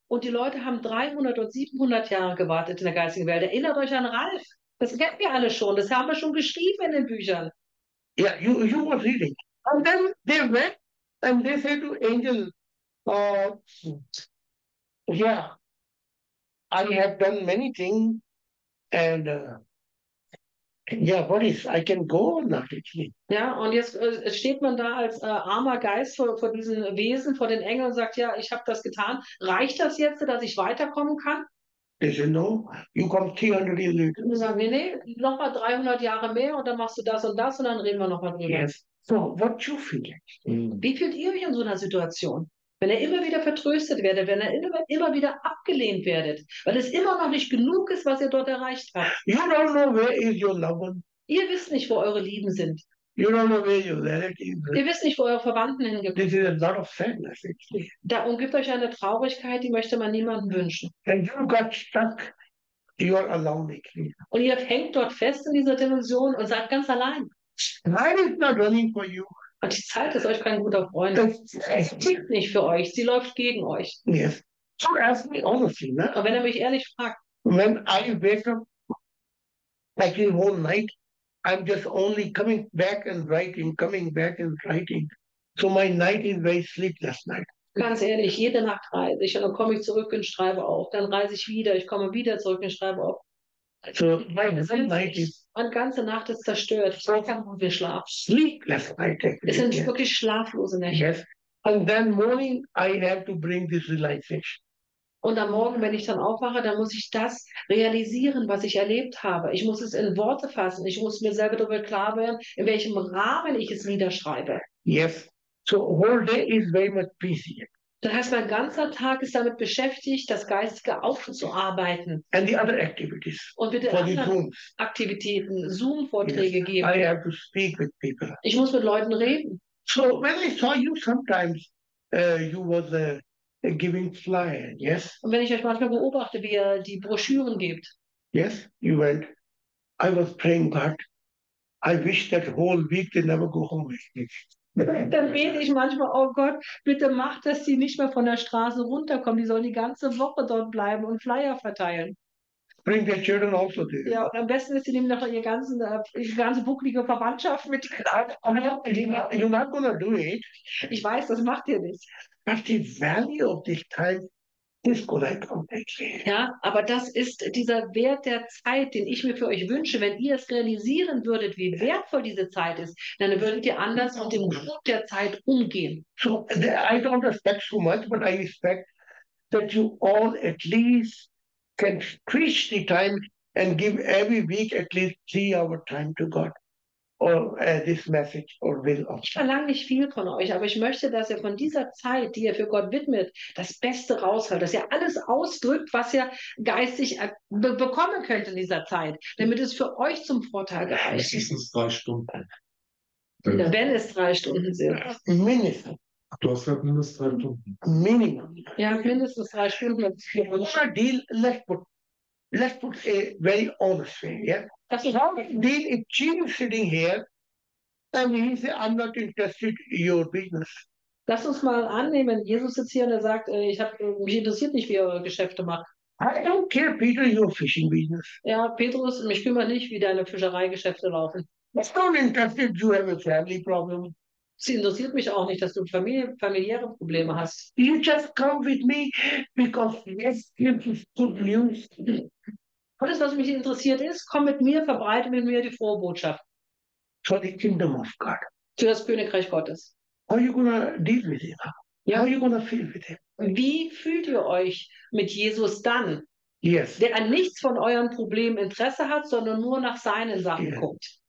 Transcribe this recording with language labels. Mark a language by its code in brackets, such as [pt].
[de] Und die Leute haben 300 und 700 Jahre gewartet in der geistigen Welt. Erinnert euch an Ralf. Das kennen wir alle schon. Das haben wir schon geschrieben in den Büchern. [en] Yeah, you were reading. And then they went and they said to Angel, I have done many things and what is, I can go or not actually. [de] Ja, und jetzt steht man da als armer Geist vor diesen Wesen, vor den Engeln und sagt, ja, ich habe das getan. Reicht das jetzt, dass ich weiterkommen kann? [en] They said, no, you come 300 years later. [de] Und wir sagen, nee, nochmal 300 Jahre mehr und dann machst du das und das und dann reden wir nochmal drüber. [en] Yes. So, what you feel? [de] Wie fühlt ihr euch in so einer Situation? Wenn ihr immer wieder vertröstet werdet, wenn ihr immer wieder abgelehnt werdet, weil es immer noch nicht genug ist, was ihr dort erreicht habt. [en] You don't know where is your loved one. [de] Ihr wisst nicht, wo eure Lieben sind. [en] You don't know where your relatives are. [de] Ihr wisst nicht, wo eure Verwandten hingekommen sind. [en] This is a lot of sadness, actually. [de] Da umgibt euch eine Traurigkeit, die möchte man niemandem wünschen. [en] And you got stuck. You are alone, actually. [de] Und ihr hängt dort fest in dieser Dimension und seid ganz allein. [en] Time is not running for you. [de] Und die Zeit ist euch kein guter Freund. Es tickt nicht für euch, sie läuft gegen euch. [en] Yes. So ask me honestly, ne? [de] Und wenn er mich ehrlich fragt. [en] When I wake up, like the whole night, I'm just only coming back and writing, coming back and writing. So my night is very sleepless night. [de] Ganz ehrlich, jede Nacht reise ich und dann komme ich zurück und schreibe auf. Dann reise ich wieder, ich komme wieder zurück und schreibe auf. [en] So my night is. [de] Und ganze Nacht ist zerstört. Ich weiß nicht, wo wir schlafen. [en] Sleepless night. [de] Es sind wirklich schlaflose Nächte. [en] Yes. And then morning I have to bring this realization. [de] Und am Morgen, wenn ich dann aufwache, dann muss ich das realisieren, was ich erlebt habe. Ich muss es in Worte fassen. Ich muss mir selber darüber klar werden, in welchem Rahmen ich es niederschreibe. [en] Yes. So whole day is very much busy. [de] Das heißt, mein ganzer Tag ist damit beschäftigt, das Geistige aufzuarbeiten. [en] And the other activities. [de] Und bitte anderen Aktivitäten, Zoom-Vorträge geben. [en] I have to speak with people. [de] Ich muss mit Leuten reden. [en] So when I saw you sometimes, you was a giving flyer, yes? [de] Und wenn ich euch manchmal beobachte, wie ihr die Broschüren gebt. [en] Yes, you went. I was praying, God, I wish that whole week they never go home with me. [de] Dann bete ich manchmal, oh Gott, bitte mach, dass sie nicht mehr von der Straße runterkommen. Die sollen die ganze Woche dort bleiben und Flyer verteilen. [en] Bring their children also to you. [de] Ja, und am besten ist, sie nehmen noch ihre ganze bucklige Verwandtschaft mit. [en] You're not gonna do it. [de] Ich weiß, das macht ihr nicht. [en] But the value of this time is gonna come actually. [de] Ja, aber das ist dieser Wert der Zeit, den ich mir für euch wünsche. Wenn ihr es realisieren würdet, wie wertvoll diese Zeit ist, dann würdet ihr anders mit dem Gut der Zeit umgehen. [en] So, I don't expect so much, but I expect that you all at least can stretch the time and give every week at least 3 hour time to God. Or, this message or will of. [de] Ich verlange nicht viel von euch, aber ich möchte, dass ihr von dieser Zeit, die ihr für Gott widmet, das Beste raushört, dass ihr alles ausdrückt, was ihr geistig bekommen könnt in dieser Zeit, damit es für euch zum Vorteil gereicht. Mindestens 3 Stunden. Ja, wenn es 3 Stunden sind. Mindestens. Du hast halt mindestens 3 Stunden. Minimum. Ja, mindestens 3 Stunden. [en] Oder deal, let's put a very honest way, yeah? Deal if Jim is sitting here and he says, I'm not interested in your business. [de] Lass uns mal annehmen, Jesus sitzt hier und er sagt, mich interessiert nicht, wie eure Geschäfte macht. [en] I don't care, Peter, your fishing business. [de] Ja, Petrus, mich kümmert nicht, wie deine Fischereigeschäfte laufen. [en] I don't interested, you have a family problem. [de] Sie interessiert mich auch nicht, dass du familiäre Probleme hast. [en] You just come with me because yes, this is good news. [de] Und das, was mich interessiert ist, komm mit mir, verbreite mit mir die frohe Botschaft. [en] For the kingdom of God. [de] Für das Königreich Gottes. [en] How are you gonna deal with him? How are you gonna feel with him? [de] Wie fühlt ihr euch mit Jesus dann? [en] Yes. [de] Der an nichts von euren Problemen Interesse hat, sondern nur nach seinen Sachen guckt.